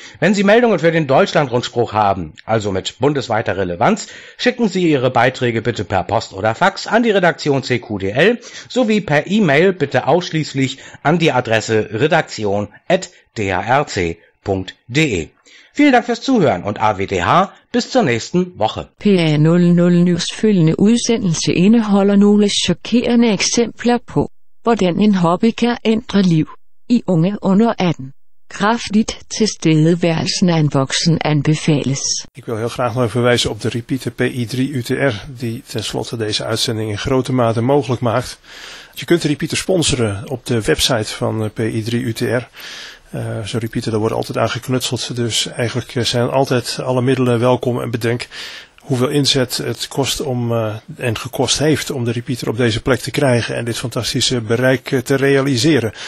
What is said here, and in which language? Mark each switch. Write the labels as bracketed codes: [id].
[de] Wenn Sie Meldungen für den Deutschland-Rundspruch haben, also mit bundesweiter Relevanz, schicken Sie Ihre Beiträge bitte per Post oder Fax an die Redaktion CQDL sowie per E-Mail bitte auch schließlich an die Adresse redaktion@darc.de. Vielen Dank fürs Zuhören und AWDH, bis zur nächsten Woche. [da] PA00 News følgende udsendelse indeholder nogle chokerende eksempler på, hvordan en hobby kan ændre liv i unge under 18. Kraftigt tilstedeværelsen af en voksen anbefales. [nl] Ik wil heel graag nog even wijzen op de repeater PI3UTR, die tenslotte deze uitzending in grote mate mogelijk maakt. Je kunt de repeater sponsoren op de website van PI3UTR. Zo'n repeater, daar wordt altijd aan geknutseld. Dus eigenlijk zijn altijd alle middelen welkom en bedenk hoeveel inzet het kost om en gekost heeft om de repeater op deze plek te krijgen en dit fantastische bereik te realiseren.